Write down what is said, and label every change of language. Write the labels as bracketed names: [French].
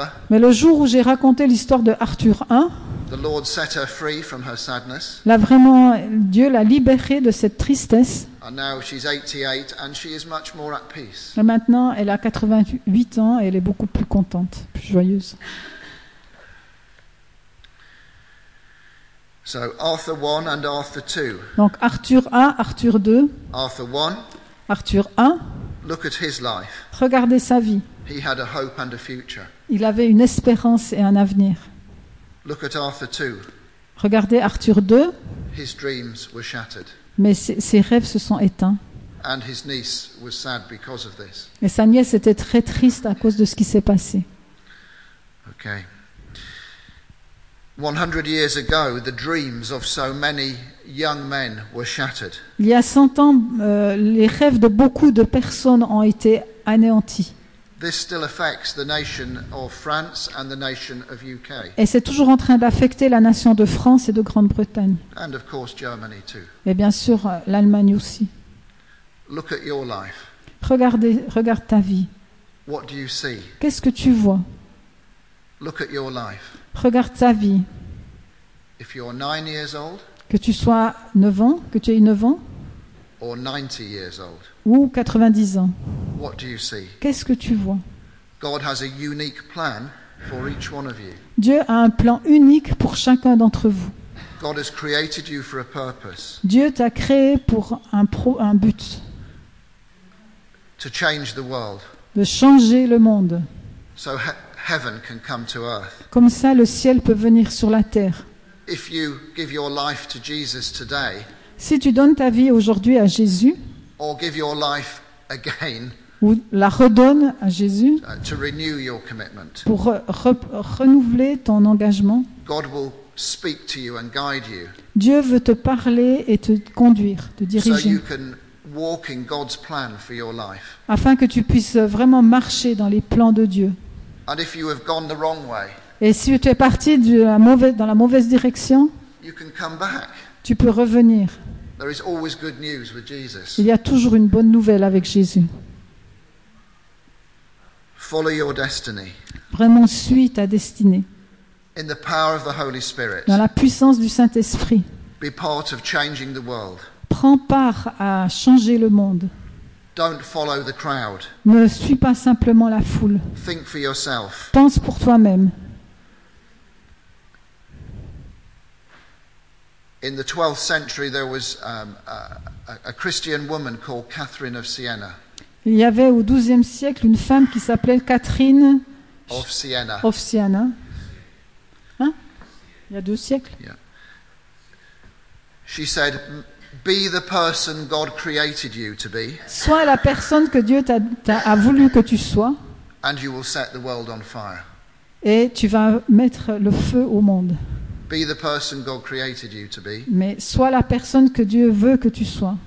[French] Mais le jour où j'ai raconté l'histoire de Arthur I, [English] the Lord set her free from her sadness. [French] Dieu l'a libérée de cette tristesse. [English] And now she's 88 and she is much more at peace. [French] Et maintenant, elle a 88 ans et elle est beaucoup plus contente, plus joyeuse. [English] So Arthur 1 and Arthur 2. [French] Donc Arthur 1, Arthur 2. [English] Arthur 1. [French] Arthur 1. [English] Look at his life. [French] Regardez sa vie. [English] He had a hope and a future. [French] Il avait une espérance et un avenir. [English] Look at Arthur 2. [French] Regardez Arthur 2. [English] His dreams were shattered. [French] Mais ses rêves se sont éteints. [English] And his niece was sad because of this. [French] Et sa nièce était très triste à cause de ce qui s'est passé. [English] Okay. 100 years ago, the dreams of so many young men were shattered. [French] Il y a 100 ans, les rêves de beaucoup de personnes ont été anéantis. [English] This still affects the nation of France and the nation of UK. [French] Et c'est toujours en train d'affecter la nation de France et de Grande-Bretagne. [English] And of course, Germany too. [French] Et bien sûr, l'Allemagne aussi. [English] Look at your life. [French] Regarde ta vie. [English] What do you see? [French] Qu'est-ce que tu vois? [English] Look at your life. [French] Regarde ta vie. [English] If you're 9 years old, [French] que tu sois 9 ans, que tu aies 9 ans, [English] or 90 years old, [French] ou 90 ans, [English] what do you see? [French] Qu'est-ce que tu vois? [English] God has a unique plan for each one of you. [French] Dieu a un plan unique pour chacun d'entre vous. [English] God has created you for a purpose. [French] Dieu t'a créé pour un but. [English] To change the world. [French] De changer le monde. [English] So heaven can come to earth. [French] Comme ça, le ciel peut venir sur la terre. [English] If you give your life to Jesus today, [French] si tu donnes ta vie aujourd'hui à Jésus, [English] or give your life again, [French] ou la redonnes à Jésus, [English] to renew your commitment, [French] pour renouveler ton engagement, [English] God will speak to you and guide you. [French] Dieu veut te parler et te conduire, te diriger. [English] So you can walk in God's plan for your life. [French] Afin que tu puisses vraiment marcher dans les plans de Dieu. [English] And if you have gone the wrong way, [French] et si tu es parti dans la mauvaise direction, [English] you can come back. [French] Tu peux revenir. [English] There is always good news with Jesus. [French] Il y a toujours une bonne nouvelle avec Jésus. [English] Follow your destiny. [French] Vraiment, suis ta destinée. [English] In the power of the Holy Spirit. [French] Dans la puissance du Saint-Esprit. [English] Be part of changing the world. [French] Prends part à changer le monde. [English] Don't follow the crowd. [French] Ne suis pas simplement la foule. [English] Think for yourself. [French] Pense pour toi-même. [English] In the 12th century, there was a Christian woman called Catherine of Siena. [French] Il y avait au 12e siècle une femme qui s'appelait Catherine [English] of Siena. [French] Of Siena. Hein? Il y a deux siècles. [English] Yeah. She said, "Be the person God created you to be." [French] Sois la personne que Dieu a voulu que tu sois. [English] And you will set the world on fire. [French] Et tu vas mettre le feu au monde. [English] Be the person God created you to be. [French] Mais sois la personne que Dieu veut que tu sois.